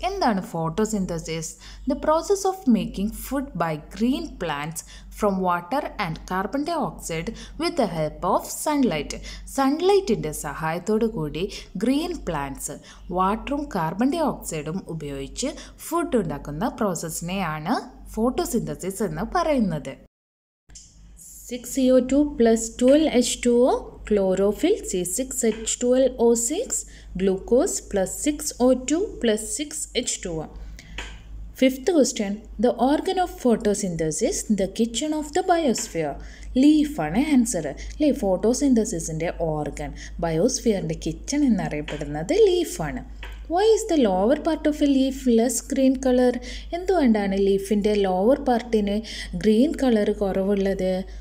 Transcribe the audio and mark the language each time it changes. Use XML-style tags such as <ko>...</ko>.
<ml>എന്താണ്</ml> <en>Photosynthesis? The process of making food by green plants from water and carbon dioxide with the help of sunlight.</en> <ml>സൺലൈറ്റിൻ്റെ സഹായത്തോടു കൂടി green plants വാട്ടറും carbon dye ഓക്സൈഡും ഉപയോഗിച്ച് food ഉണ്ടാക്കുന്ന പ്രോസസ്സിനെയാണ് photosynthesis എന്ന് പറയുന്നത്. 6CO2 + 12H2O chlorophyll C6H12O6 glucose +6O2 + 6H2O.</ml> <en>Fifth question, the organ of photosynthesis the kitchen of the biosphere.</en> <ml>ലീഫാണ് answer. Leaf ഫോട്ടോസിന്തസിസിൻ്റെ organ, ബയോസ്ഫിയറിൻ്റെ kitchen എന്നറിയപ്പെടുന്നത് ലീഫാണ്.</ml> <en>Why is the lower part of a leaf less green colour?</en> <ml>എന്തുകൊണ്ടാണ് ലീഫിൻ്റെ lower പാർട്ടിന് green colour കുറവുള്ളത്?</ml>